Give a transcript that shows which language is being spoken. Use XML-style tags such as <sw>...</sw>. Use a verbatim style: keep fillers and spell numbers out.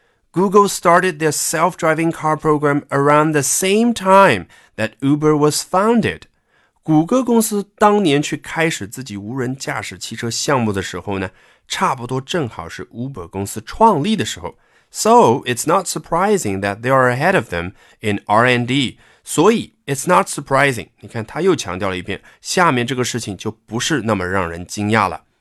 <en>Google started their self-driving car program around the same time that Uber was founded.</en> <zh>谷歌公司当年去开始自己无人驾驶汽车项目的时候呢，差不多正好是 Uber 公司创立的时候。</zh> <en>So, it's not surprising that they are ahead of them in R and D.</en> <zh>所以</zh> <en>it's not surprising.</en> <zh>你看他又强调了一遍，下面这个事情就不是那么让人惊讶了。</zh>